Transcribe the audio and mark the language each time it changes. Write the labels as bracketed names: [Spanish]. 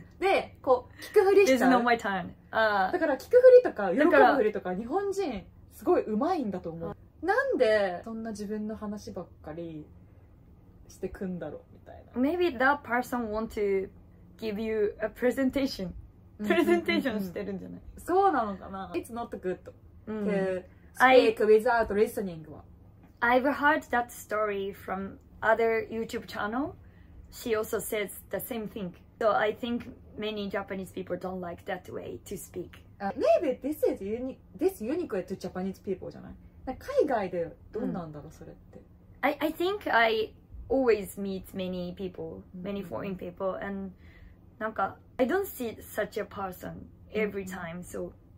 [Japanese] で、こう、聞くふりしちゃう。 [English] There's no my turn. [Japanese] だから聞くふりとか、喜ぶふりとか、日本人、すごい上手いんだと思う。なんで、そんな自分の話ばっかりしてくんだろうみたいな。 [English] Maybe that person want to give you a presentation. [Japanese] プレゼンテーションしてるんじゃない？そうなのかな [English] ?It's not good. Speak without listening. I've heard that story from other YouTube channel. She also says the same thing. So I think many Japanese people don't like that way to speak. Maybe this is unique to Japanese people, [Japanese] じゃない？なんか海外でどうなんだろう、それって。 [English] I think I always meet many people, many foreign people, and なんか I don't see such a person every time, so...